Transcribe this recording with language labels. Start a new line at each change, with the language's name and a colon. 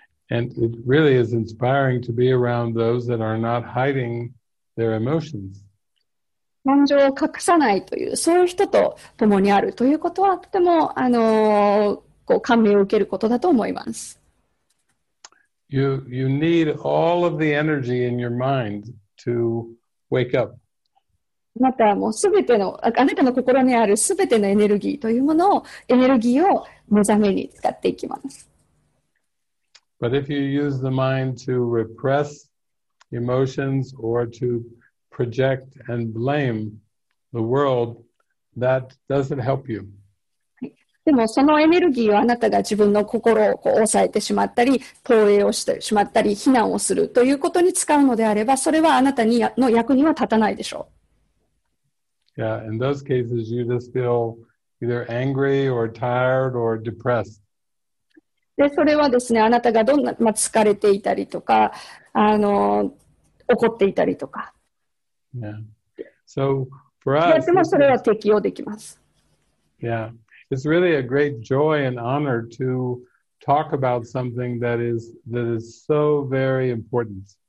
English: And it really is inspiring to be around those that are not hiding their emotions.
Japanese: 感情を隠さないという、そういう人と共にあるということは、とてもこう感銘を受けることだと思います。
English: You need all of the energy in your mind to wake up.
Japanese: またもうすべての、あなたの心にあるすべてのエネルギーというものを、エネルギーを目覚めに使っていきます。
English: But if you use the mind to repress emotions or to project and blame the world, that doesn't help you.
Japanese: でもそのエネルギーをあなたが自分の心をこう抑えてしまったり、投影をしてしまったり、非難をするということに使うのであれば、それはあなたにの役には立たないでしょう。
English: Yeah, in those cases you just feel either angry or tired or depressed.
Japanese: でそれはですね、あなたがどんな、まあ、疲れていたりとか怒っていたりとか、
English: yeah. so、for us,
Japanese: でもそれは適用できます。
English: Yeah. It's really a great joy and honor to talk about something that is so very important.